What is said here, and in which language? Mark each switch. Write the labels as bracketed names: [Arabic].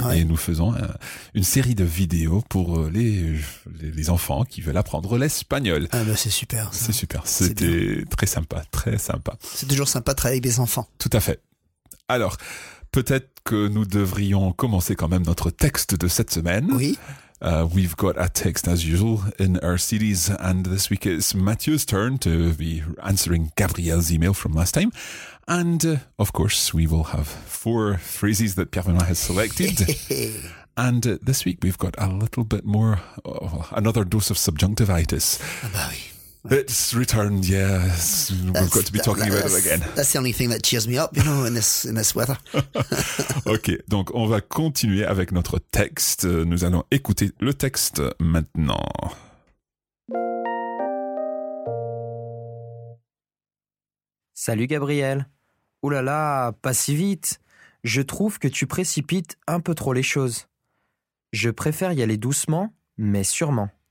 [French] Ouais. Et nous faisons une série de vidéos pour les enfants qui veulent apprendre l'espagnol. Ah ben c'est super. Ça. C'est super. C'était très sympa, très sympa. C'est toujours sympa de travailler avec des enfants. Tout à fait. Alors, peut-être que nous devrions commencer quand même notre texte de cette semaine. Oui. [English] We've got a text as usual in our series, and this week it's Mathieu's turn to be answering Gabrielle's email from last time. And of course, we will have 4 phrases that Pierre-Benoît has selected. And this week we've got a little bit more, another dose of subjunctivitis. It's returned, yes. We've got to be talking about it again. That's the only thing that cheers me up, you know, in this weather. [French] OK, donc on va continuer avec notre texte. Nous allons écouter le texte maintenant. Salut Gabriel. Ouh là là, pas si vite. Je trouve que tu précipites un peu trop les choses. Je préfère y aller doucement, mais sûrement.